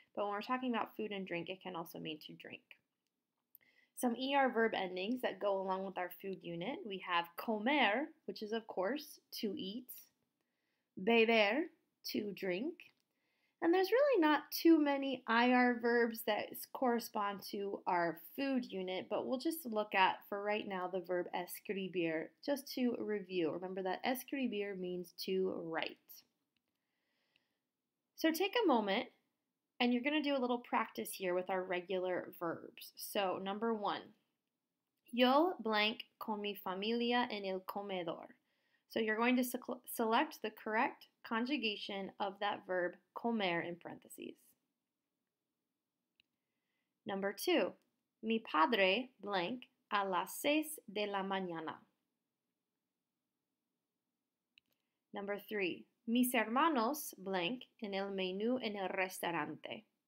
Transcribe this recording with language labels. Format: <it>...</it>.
<en>But when we're talking about food and drink, it can also mean to drink. Some ER verb endings that go along with our food unit, we have comer, which is, of course, to eat, beber, to drink, and there's really not too many IR verbs that correspond to our food unit, but we'll just look at, for right now, the verb escribir, just to review. Remember that escribir means to write. So take a moment. And you're going to do a little practice here with our regular verbs. So, number one,</en> <es>yo blank con mi familia en el comedor.</es> <en>So, you're going to select the correct conjugation of that verb comer in parentheses. Number two,</en> <es>mi padre blank a las seis de la mañana.</es> <en>Number three,</en> <es>mis hermanos blank en el menú en el restaurante.</es>